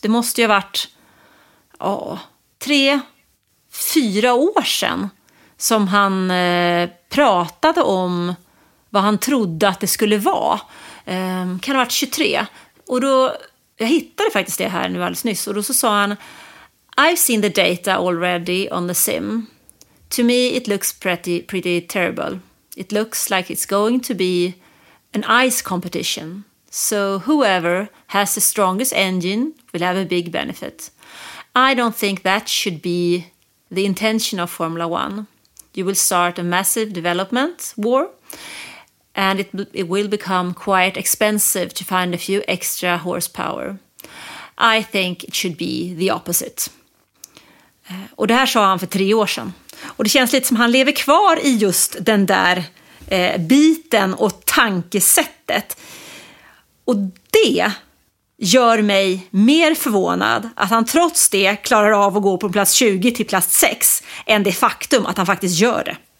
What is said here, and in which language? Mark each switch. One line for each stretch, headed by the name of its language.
Swedish: Det måste ju ha varit 3-4 år sedan som han pratade om vad han trodde att det skulle vara. Kan ha varit 23. Och då, jag hittade faktiskt det här nu alldeles nyss, och då så sa han:
English: I've seen the data already on the sim. To me it looks pretty terrible. It looks like it's going to be an ice competition. So whoever has the strongest engine will have a big benefit. I don't think that should be the intention of Formula One. You will start a massive development war, and it will become quite expensive to find a few extra horsepower. I think it should be the opposite.
Swedish: Och det här sa han för 3 år sedan. Och det känns lite som han lever kvar i just den där biten och tankesättet. Och det gör mig mer förvånad att han trots det klarar av att gå från plats 20 till plats 6 än det faktum att han faktiskt gör det.